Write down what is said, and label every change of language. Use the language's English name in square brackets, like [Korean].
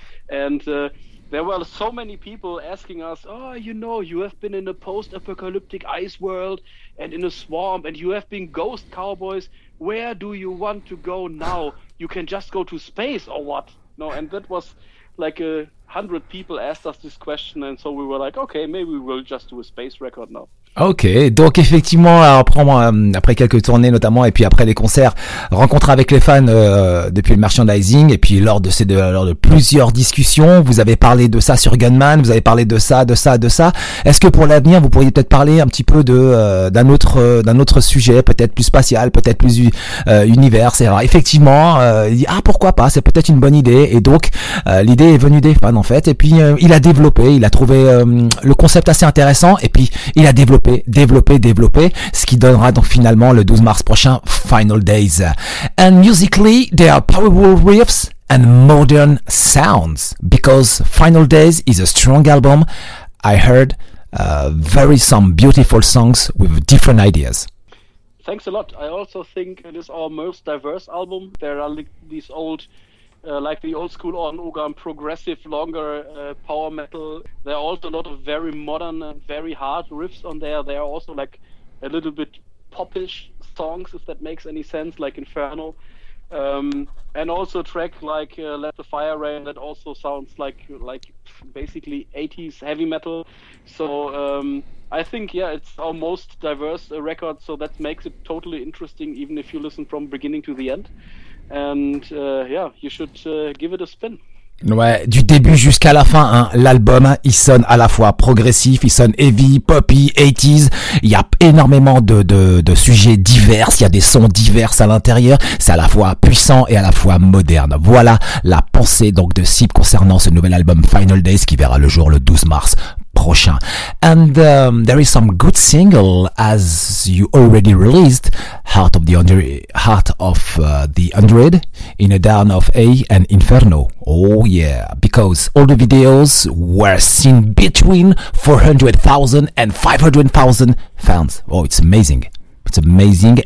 [English] And there were so many people asking us, oh, you know, you have been in a post-apocalyptic ice world and in a swamp, and you have been ghost cowboys. Where do you want to go now? You can just go to space or what? No, and that was like 100 people asked us this question, and so we were like, okay, maybe we'll just do a space record now. [French] Ok, donc effectivement, après quelques tournées notamment, et puis après les concerts, rencontres avec les fans depuis le merchandising, et puis lors de plusieurs discussions, vous avez parlé de ça sur Gunman, vous avez parlé de ça. Est-ce que pour l'avenir, vous pourriez peut-être parler un petit peu d'un autre sujet, peut-être plus spatial, peut-être plus univers? Alors effectivement, pourquoi pas, c'est peut-être une bonne idée, et donc l'idée est venue des fans en fait, et puis il a développé, il a trouvé le concept assez intéressant, et puis il a développer, ce qui donnera donc finalement le 12 mars prochain Final Days. [English] And musically, there are powerful riffs and modern sounds, because Final Days is a strong album. I heard some beautiful songs with different ideas. Thanks a lot. I also think it is our most diverse album. There are these old, like the old school Ordon Hogan progressive longer power metal. There are also a lot of very modern and very hard riffs on there. There are also like a little bit popish songs, if that makes any sense, like Inferno, and also a track like Let the Fire Rain that also sounds like basically 80s heavy metal. So I think, yeah, it's our most diverse record, so that makes it totally interesting, even if you listen from beginning to the end. And yeah, you should give it a spin. [French] Ouais, du début jusqu'à la fin, hein, l'album, il sonne à la fois progressif, il sonne heavy, poppy, 80s. Il y a énormément de sujets divers, il y a des sons divers à l'intérieur. C'est à la fois puissant et à la fois moderne. Voilà la pensée donc de Sib concernant ce nouvel album Final Days qui verra le jour le 12 mars prochain. [English] And there is some good single as you already released Heart of the Under Heart of the Hundred in a Down of A and Inferno. Oh yeah, because all the videos were seen between 400,000 and 500,000 fans. Oh, it's amazing. It's amazing.